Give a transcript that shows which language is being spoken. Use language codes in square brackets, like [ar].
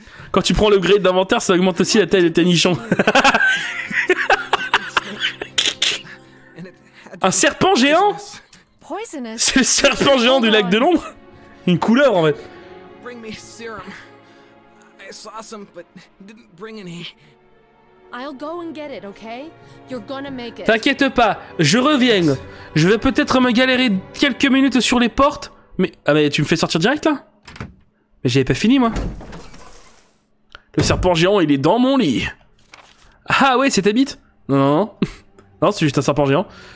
[fr] Quand tu prends le grade d'inventaire, ça augmente aussi la taille de tes nichons. Un serpent géant? C'est le serpent géant du lac de l'ombre? Une couleur, en fait. [en] Bring me serum. I saw some, but didn't bring any. I'll go and get it, okay? You're gonna make it. [fr] T'inquiète pas, je reviens. Je vais peut-être me galérer quelques minutes sur les portes, mais... Ah mais tu me fais sortir direct, là? Mais j'avais pas fini, moi. Le serpent géant, il est dans mon lit. Ah ouais, c'est ta bite? Non. Non, c'est juste un serpent géant.